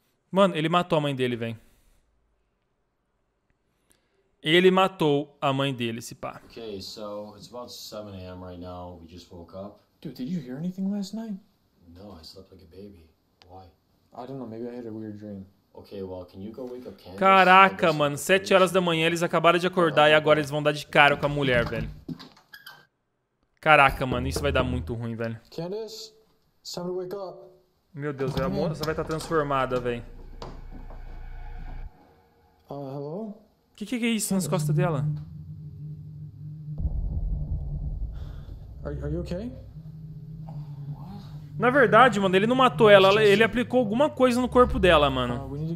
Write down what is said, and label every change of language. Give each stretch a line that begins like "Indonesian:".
Portuguese: Mano, ele matou a mãe dele, velho. Ele matou a mãe dele, se pá.
English: Ok,
Portuguese: então é
English: about 7 a.m. right now. We just woke up. Dude, did you hear anything last night? No, I slept like a baby. Why? I don't know, maybe I had a weird dream. Ok, well, can you go wake up Candace?
Portuguese: Caraca, mano, 7 horas da manhã, eles acabaram de acordar e agora eles vão dar de cara com a mulher, velho. Caraca, mano, isso vai dar muito ruim, velho.
English: Candace, it's time to wake up.
Portuguese: Meu Deus, a moça vai estar transformada, velho.
English: Hello?
Portuguese: Que é isso nas costas dela?
English: Are you okay? What?
Portuguese: Na verdade, mano, ele não matou ela, ele aplicou alguma coisa no corpo dela, mano.